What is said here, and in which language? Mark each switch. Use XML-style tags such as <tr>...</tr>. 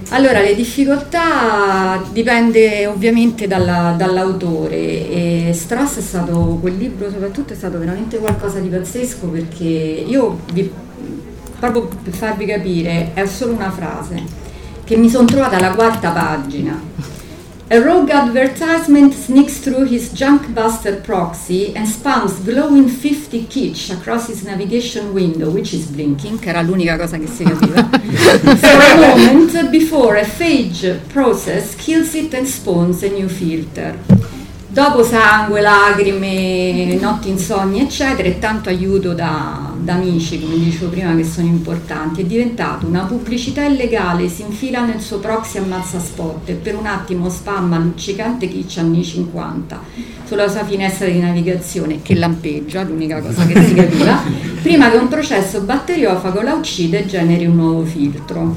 <it>Allora, le difficoltà dipende ovviamente dall'autore, e Strauss è stato, quel libro soprattutto è stato veramente qualcosa di pazzesco, perché io, proprio per farvi capire, è solo una frase che mi sono trovata alla quarta pagina,</it> <en>A rogue advertisement sneaks through his Junkbuster proxy and spams glowing 50 kitsch across his navigation window, which is blinking,</en> <it>che era l'unica cosa che si capiva,</it> <en>for a moment before a phage process kills it and spawns a new filter.</en> <it>Dopo sangue, lacrime, notti insonni, eccetera, e tanto aiuto da amici, come dicevo prima, che sono importanti, è diventato una pubblicità illegale, si infila nel suo proxy ammazza spot e per un attimo spamma luccicante kitsch anni 50 sulla sua finestra di navigazione, che lampeggia, l'unica cosa che si capiva, prima che un processo batteriofago la uccida e generi un nuovo filtro.</it>